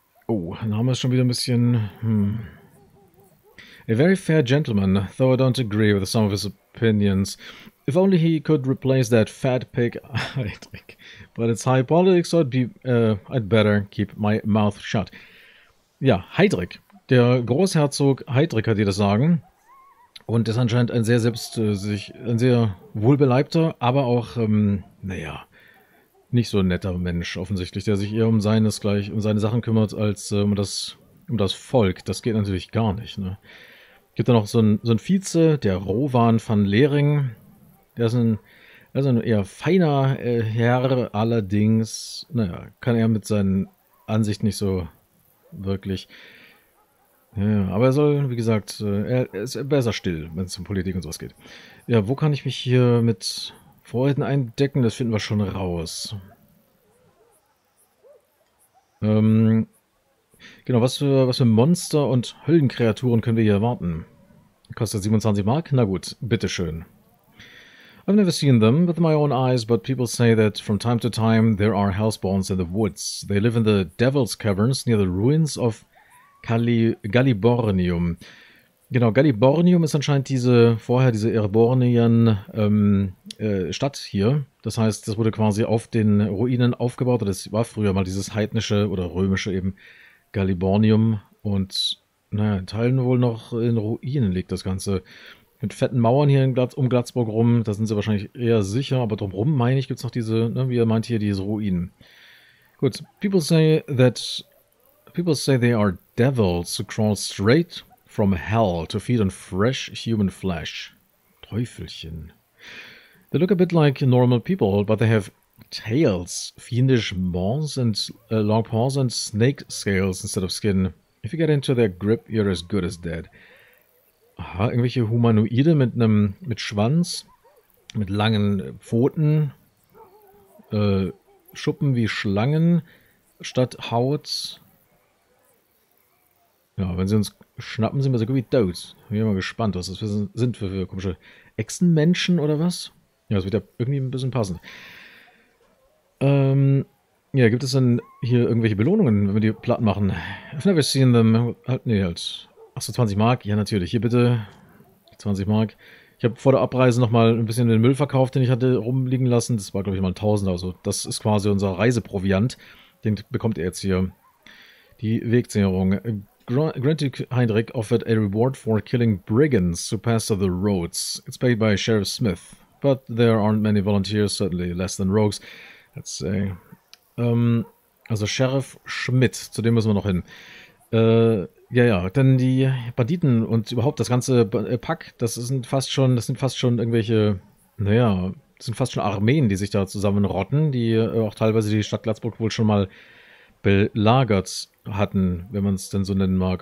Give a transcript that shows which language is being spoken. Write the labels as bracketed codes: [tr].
[en] Oh, [de] Name ist schon wieder ein bisschen... [en] A very fair gentleman, though I don't agree with some of his opinions. If only he could replace that fat pig, Heydrich. But it's high politics, so I'd better keep my mouth shut. [de] Ja, Heydrich. Der Großherzog Heydrich hat dir das Sagen. Und ist anscheinend ein sehr ein sehr wohlbeleibter, aber auch, naja... Nicht so ein netter Mensch offensichtlich, der sich eher um seine Sachen kümmert, als um das Volk. Das geht natürlich gar nicht, ne? Gibt da noch so ein Vize, der Rovan van Lering. Der ist ein eher feiner Herr, allerdings, naja, kann er mit seinen Ansichten nicht so wirklich. Ja, aber er soll, wie gesagt, er ist besser still, wenn es um Politik und sowas geht. Ja, wo kann ich mich hier mit Freuden eindecken, das finden wir schon raus. Genau, was für Monster und Höllenkreaturen können wir hier erwarten? Kostet 27 Mark? Na gut, bitteschön. [en] I've never seen them with my own eyes, but people say that from time to time there are hellspawns in the woods. They live in the Devil's Caverns near the ruins of Gallibornium. [de] Genau, Gallibornium ist anscheinend diese Erebornian Stadt hier. Das heißt, das wurde quasi auf den Ruinen aufgebaut. Das war früher mal dieses heidnische oder römische eben Gallibornium. Und naja, in Teilen wohl noch in Ruinen liegt das Ganze. Mit fetten Mauern hier um Glatzburg rum, da sind sie wahrscheinlich eher sicher. Aber drumherum, meine ich, gibt es noch diese, ne, wie ihr meint hier, diese Ruinen. [en] Gut, people say they are devils who crawl straight from hell to feed on fresh human flesh. Teufelchen. They look a bit like normal people, but they have tails, fiendish maws and long paws and snake scales instead of skin. If you get into their grip, you're as good as dead. [de] Aha, irgendwelche Humanoide mit Schwanz, mit langen Pfoten, Schuppen wie Schlangen statt Haut. Ja, wenn sie uns schnappen, sind wir so gut wie tot. Bin mal gespannt, was das sind für komische Echsenmenschen oder was? Ja, das wird ja irgendwie ein bisschen passen. Ja, gibt es denn hier irgendwelche Belohnungen, wenn wir die platt machen? [en] I've never seen them. [de] Halt. Achso, 20 Mark? Ja, natürlich. Hier bitte. 20 Mark. Ich habe vor der Abreise nochmal ein bisschen den Müll verkauft, den ich hatte rumliegen lassen. Das war, glaube ich, mal 1.000. Also das ist quasi unser Reiseproviant. Den bekommt er jetzt hier. Die Wegzehrung. [en] Grand Duke Heydrich offered a reward for killing brigands who pass over the roads. It's paid by Sheriff Smith. But there aren't many volunteers, certainly less than rogues, let's say. [de] Also Sheriff Schmidt, zu dem müssen wir noch hin. Ja, denn die Banditen und überhaupt das ganze Pack, das sind fast schon irgendwelche, naja, das sind fast schon Armeen, die sich da zusammenrotten, die auch teilweise die Stadt Glatzburg wohl schon mal belagert hatten, wenn man es denn so nennen mag.